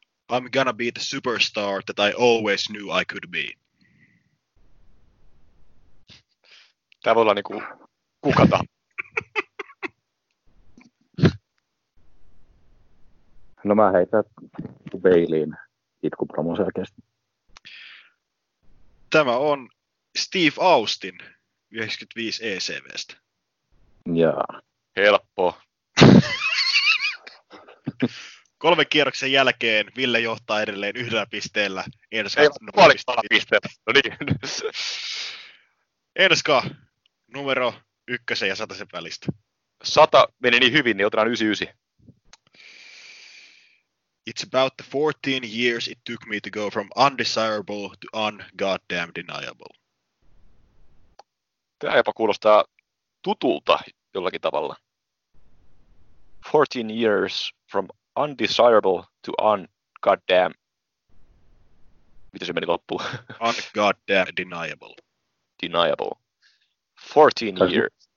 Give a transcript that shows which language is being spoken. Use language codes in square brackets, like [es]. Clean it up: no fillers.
[en] I'm gonna be the superstar that I always knew I could be. [fi] Tää voi olla niinku kukata. No mä heitän Baileyn itkupromon selkeästi. Tämä on Steve Austin 95 ECV:stä. Jaa. Helppo. Kolme kierroksen jälkeen Ville johtaa edelleen yhdellä pisteellä. Enska, numero ykkösen ja satasen välistä. Sata meni niin hyvin, niin otetaan 99. [en] It's about the 14 years it took me to go from undesirable to ungoddamn deniable. [fi] Tämä jopa kuulostaa tutulta jollakin tavalla. [en] 14 years from undesirable to ungoddamn. [fi] Mitä se meni loppuun? [en] Ungoddamn deniable. Deniable. 14 years.